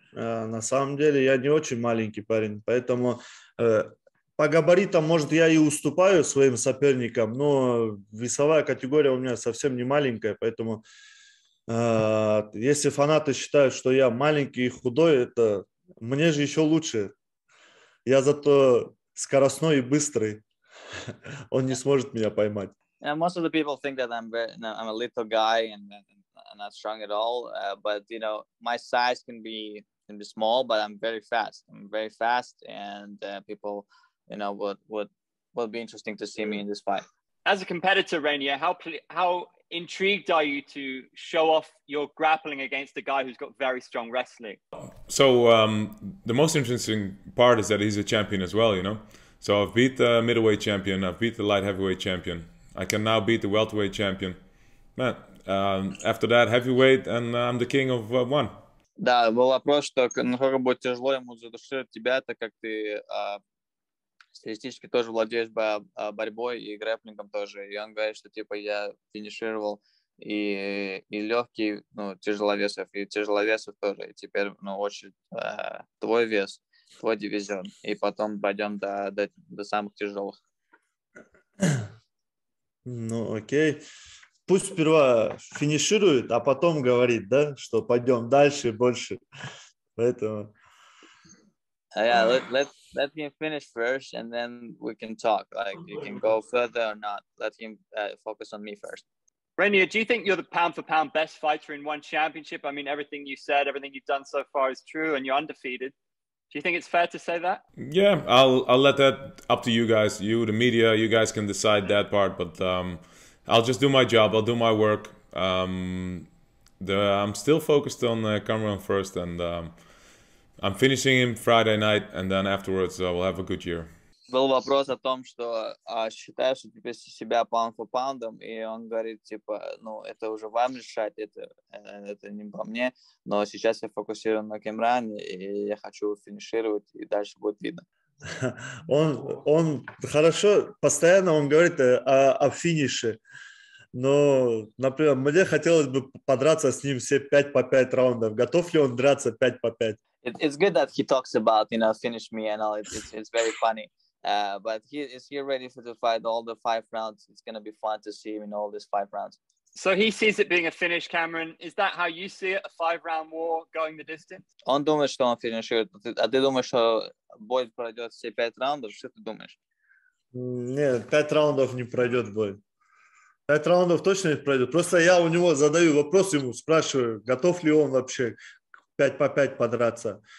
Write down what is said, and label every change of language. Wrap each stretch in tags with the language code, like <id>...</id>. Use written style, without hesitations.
<ru>На самом деле, я не очень маленький парень. Поэтому по габаритам, может, я и уступаю своим соперникам, но весовая категория у меня совсем не маленькая. Поэтому если фанаты считают, что я маленький и худой, это мне же еще лучше. Я зато... Скоростной и быстрый. Он не сможет меня поймать.</ru> <en>Yeah, most of the people think that I'm a little guy and not strong at all. But you know, my size can be small, but I'm very fast. I'm very fast, and people, you know, would be interesting to see me in this fight. As a competitor, Reinier, how intrigued are you to show off your grappling against a guy who's got very strong wrestling? So the most interesting part is that he's a champion as well, you know. So I've beat the middleweight champion, I've beat the light heavyweight champion. I can now beat the welterweight champion. Man, after that, heavyweight, and I'm the king of one.</en> <ru>Да, был вопрос, что насколько будет тяжело ему задушить тебя, так как ты статистически тоже владеешь борьбой и грэпплингом тоже. И он говорит, что типа я финишировал и легкий, ну, тяжеловесов, и тяжеловесов тоже. И теперь, ну, очередь твой вес, твой дивизион. И потом пойдем до самых тяжелых. Ну, окей. Пусть сперва финиширует, а потом говорит, да, что пойдем дальше, больше. Поэтому...</ru> <en>Yeah, let him finish first, and then we can talk. Like, you can go further or not. Let him focus on me first. Reinier, do you think you're the pound-for-pound best fighter in ONE Championship? I mean, everything you said, everything you've done so far is true, and you're undefeated. Do you think it's fair to say that? Yeah, I'll let that up to you guys. You, the media, you guys can decide that part. But I'll just do my job. I'll do my work. I'm still focused on Kamran first, and I'm finishing him Friday night, and then afterwards we'll have a good year.</en> <ru>Был вопрос о том, что считаешь ли ты себя pound for pound, и он говорит, типа, ну, это уже вам решать, это не по мне, но сейчас я фокусирован на Кимране, и я хочу финишировать, и дальше будет видно. Он хорошо, постоянно он говорит о финише, но, например, мне хотелось бы подраться с ним все 5 по 5 раундов. Готов ли он драться 5 по 5?</ru> <en>It's good that he talks about, you know, finish me and all, it's very funny. But is he ready for the fight, all the 5 rounds? It's going to be fun to see him in all these 5 rounds. So he sees it being a finish, Kamran. Is that how you see it, a 5-round war going the distance?</en> <ru>Он думает, что он финиширует. А ты думаешь, что бой пройдет все 5 раундов? Что ты думаешь? Нет, 5 раундов не пройдет бой. 5 раундов точно не пройдет. Просто я у него задаю вопрос, ему спрашиваю, готов ли он вообще 5 по 5 подраться.</ru>